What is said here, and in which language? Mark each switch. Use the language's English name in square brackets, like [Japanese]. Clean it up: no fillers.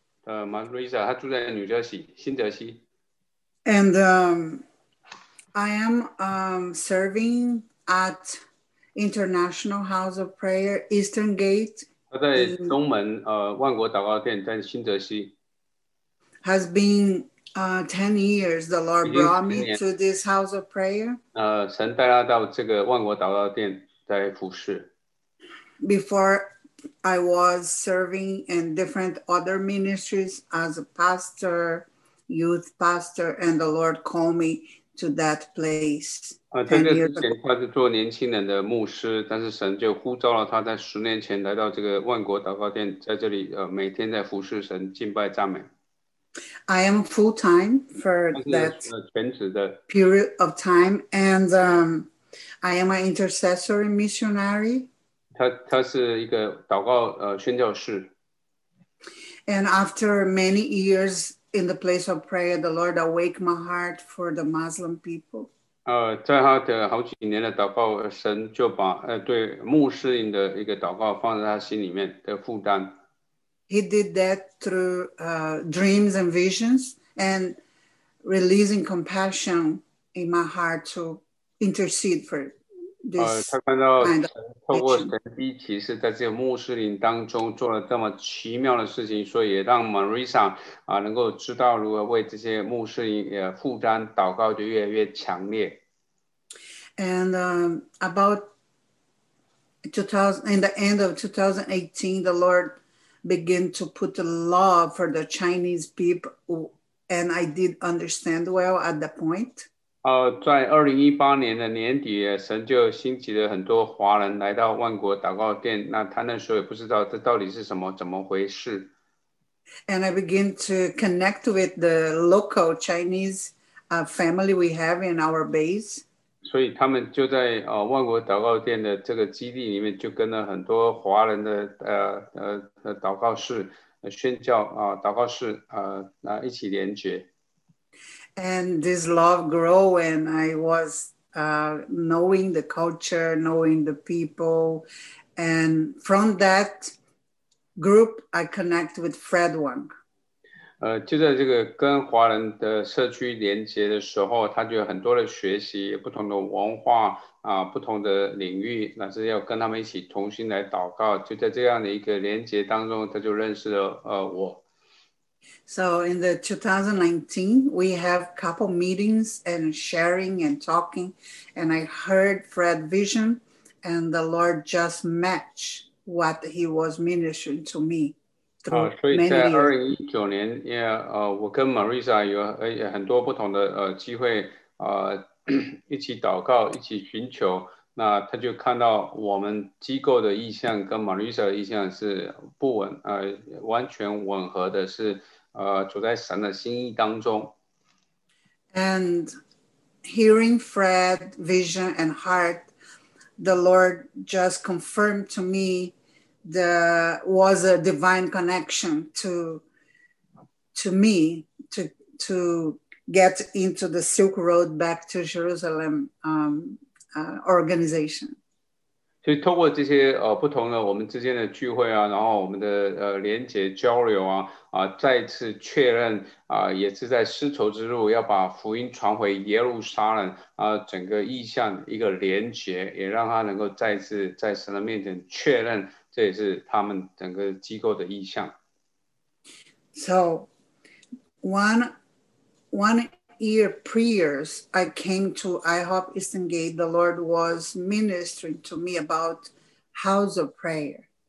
[Chinese] Marisa, 她住在纽泽西，新泽西。 [English] And I am serving at International House of Prayer Eastern Gate. [Chinese] 她在东门，万国祷告殿，在新泽西。 [English] Has been 10 years the Lord brought me to this house of prayer. [Chinese] 神带他到这个万国祷告殿来服事。 [English] Before I was serving in different other ministries as a pastor, youth pastor, and the Lord called me to that place. [Chinese] 他是做年轻人的牧师，但是神就呼召了他在十年前来到这个万国祷告殿，在这里每天在服事神，敬拜赞美。 [English] I am full time for that period of time, and I am an intercessory missionary. [Chinese] 他是一个祷告宣教士。 [English] And after many years in the place of prayer, the Lord awake my heart for the Muslim people. [Chinese] 在他的好几年的祷告，神就把对穆斯林的一个祷告放在他心里面的负担。 [English] He did that through dreams and visions and releasing compassion in my heart to intercede for this. [Chinese] 他看到透过神迹奇事，在这个穆斯林当中做了这么奇妙的事情，所以也让 Marisa 能够知道如何为这些穆斯林负担祷告就越来越强烈。 [English] And about in the end of 2018, the Lord begin to put the love for the Chinese people, and I did understand well at the point. [Chinese] 在2018年的年底，神就兴起了很多华人来到万国祷告殿。那他那时候也不知道这到底是什么，怎么回事。 [English] And I begin to connect with the local Chinese family we have in our base. [Chinese] 所以他们就在万国祷告殿的这个基地里面，就跟了很多华人的祷告室、宣教祷告室一起连接。 [English] And this love grow, and I was knowing the culture, knowing the people, and from that group, I connect with Fred Wang. [Chinese] 就在这个跟华人的社区连接的时候，他就有很多的学习，不同的文化不同的领域，那是要跟他们一起同心来祷告。就在这样的一个连接当中，他就认识了我。 [English] So in the 2019, we have couple meetings and sharing and talking, and I heard Fred vision, and the Lord just match what he was ministering to me. [Chinese] 所以在2019年，我跟 Marisa 有很多不同的机会一起祷告，一起寻求。那他就看到我们机构的意向跟 Marisa 的意向是不吻完全吻合的，是处在神的心意当中。 [English] And hearing Fred's vision and heart, the Lord just confirmed to me. There was a divine connection to me to get into the Silk Road back to Jerusalem organization. [Chinese] 所以通过这些不同的我们之间的聚会啊，然后我们的连接交流啊，再次确认也是在丝绸之路要把福音传回耶路撒冷整个意向一个连接，也让他能够再次在神的面前确认，这也是他们整个机构的意向。 [English] So, one year prayers I came to IHOP Eastern Gate, the Lord was ministering to me about house of prayer.